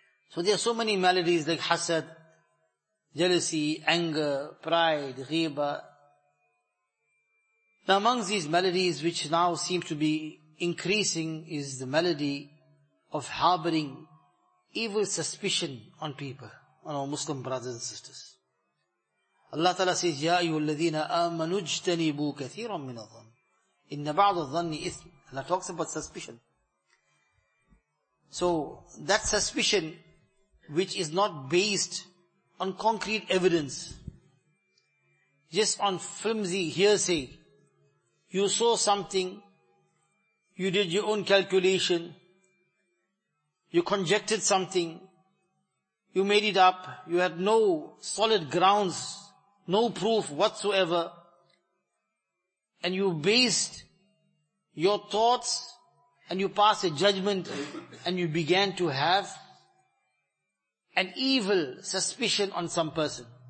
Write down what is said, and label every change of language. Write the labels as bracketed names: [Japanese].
[English] So there are so many maladies like hasad, jealousy, anger, pride, ghiba. Now amongst these maladies which now seem to be increasing is the malady of harboring evil suspicion on people, on our Muslim brothers and sisters. Allah Ta'ala says, [Arabic] يَا أَيُّهَا الَّذِينَ آمَنُوا اجْتَنِبُوا كَثِيرًا مِنَ الظَّنِّ. In بَعْضَ الظَّنِّ إِثْمِ. [English] Allah talks about suspicion. So, that suspicion which is not based on concrete evidence, just on flimsy hearsay. You saw something, you did your own calculation, you conjectured something, you made it up, you had no solid grounds, no proof whatsoever, and you based your thoughts, and you pass a judgment, and you began to have an evil suspicion on some person.